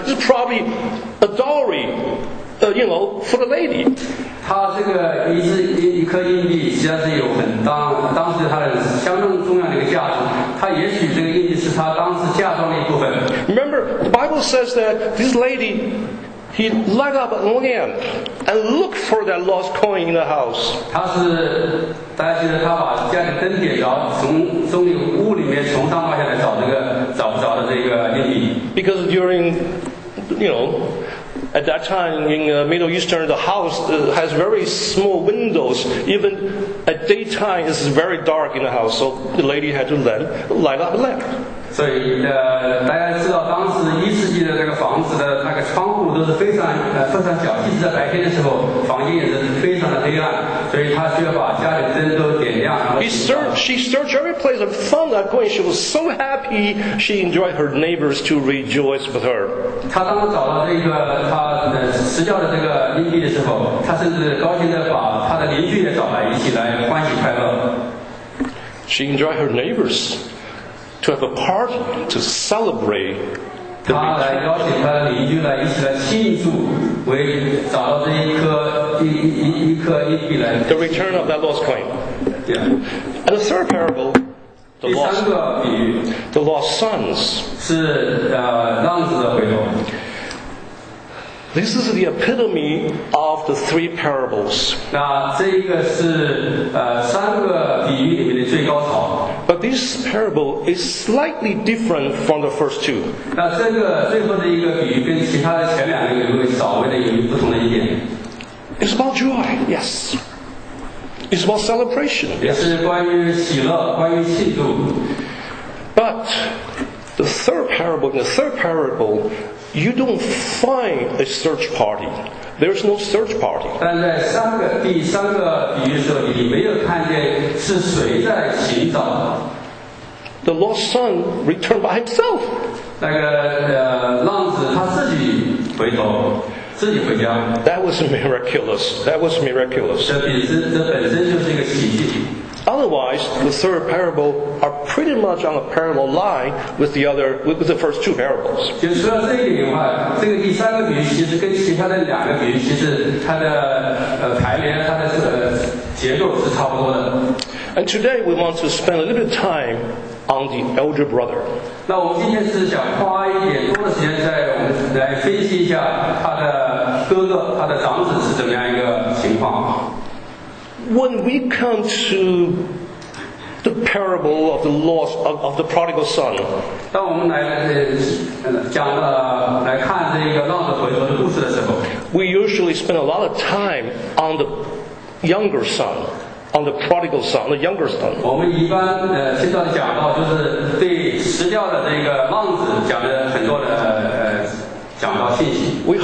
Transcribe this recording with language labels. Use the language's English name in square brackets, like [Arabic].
[English] It's probably a dowry, you know, for the lady. [Chinese] 他这个一颗硬币实际上是有很当时他的相当重要的一个价值，他也许这个硬币是他当时嫁妆的一部分。 [English] Remember, the Bible says that this lady, he light up a lamp and look for that lost coin in the house. [Chinese] 他是大家记得他把家里灯点着，从屋里面从上往下来找的这个硬币。 [English] Because during, you know. At that time in Middle Eastern, the house has very small windows. Even at daytime, it's very dark in the house. So the lady had to light up a lamp. [Chinese] So, 大家知道当时一世纪的这个房子的那个窗户都是非常小，即使在白天的时候，房间也是非常的黑暗。所以她需要把家里灯都点亮。 [English] She searched every place and found that coin. She was so happy. She enjoyed her neighbors to rejoice with her. [Chinese] 她当时找到这个她失掉的这个硬币的时候，她甚至高兴地把她的邻居也找来，一起来欢喜快乐。 [English] She enjoyed her neighbors to have a party to celebrate. [Chinese] 她来邀请她的邻居来一起来庆祝，为找到这一颗硬币来。 [English] The return of that lost coin. Yeah. And the third parable, the lost sons. [Chinese] 是浪子的回头。 [English] This is the epitome of the three parables. [Chinese] 那这一个是三个比喻里面的最高潮。 [English] But this parable is slightly different from the first two. [Chinese] 那这个最后的一个比喻跟其他的前两个有稍微的有不同的一点。 [English] It's about joy. Yes. It's about celebration. Yes. [Chinese] 也是关于喜乐，关于庆祝。 [English] But in the third parable, you don't find a search party. There is no search party. [Chinese] 但在三个第三个比喻时候，你没有看见是谁在寻找。 [English] The lost son returned by himself. [Chinese] 那个浪子他自己回头。自己回家。 [English] That was miraculous. That was miraculous. [Chinese] 这本身就是一个奇迹。 [English] Otherwise, the third parable are pretty much on a parallel line with the other, with the first two parables. [Chinese] 就说到这一点的话，这个第三个比喻其实跟其他的两个比喻，其实它的排列，它的结构是差不多的。 [English] And today we want to spend a little bit of time on the elder brother. [Chinese] 那我们今天是想花一点多的时间在我们来分析一下他的哥哥，他的长子是怎么样一个情况。 [English] When we come to the parable of the loss of the prodigal son, [Chinese] 当我们来讲来看这个浪子回头的故事的时候 [English] ，we usually spend a lot of time on the younger son, on the prodigal son, the younger son. [Chinese] 我们一般经常讲到就是对失掉的这个浪子讲的很多的讲到信息。